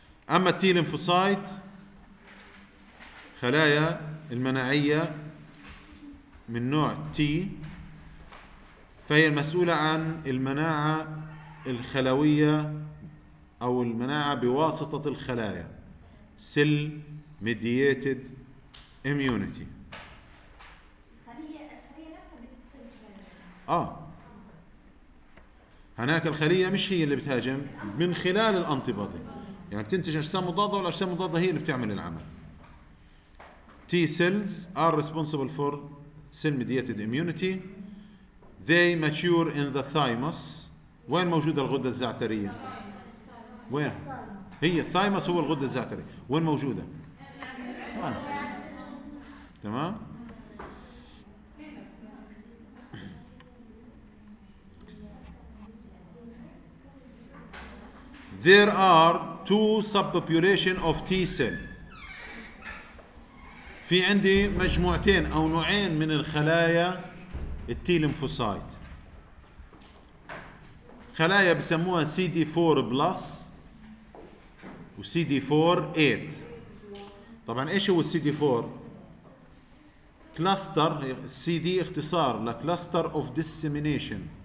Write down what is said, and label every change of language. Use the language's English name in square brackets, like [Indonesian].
[Arabic] اما التي لينفوسايت خلايا المناعية من نوع تي، فهي المسؤولة عن المناعة الخلوية أو المناعة بواسطة الخلايا، سيل ميدييتد اميونيتي. هناك الخلية مش هي اللي بتهاجم، من خلال الانتيبادي يعني بتنتج أجسام مضادة، والأجسام المضادة هي اللي بتعمل العمل. [English] T cells are responsible for cell mediated immunity. They mature in the thymus. [Arabic] وين موجودة الغدة الزعترية؟ وين؟ هي الثايموس هو الغدة الزعترية. وين موجودة؟ تمام؟ [English] There are two subpopulation of T cell. [Arabic] في عندي مجموعتين او نوعين من الخلايا التي لينفوسايت، خلايا بسموها سي دي 4 بلس وسي دي 4 8. طبعا ايش هو السي دي 4؟ كلاستر، سي دي اختصار لكلاستر اوف ديسيمينيشن.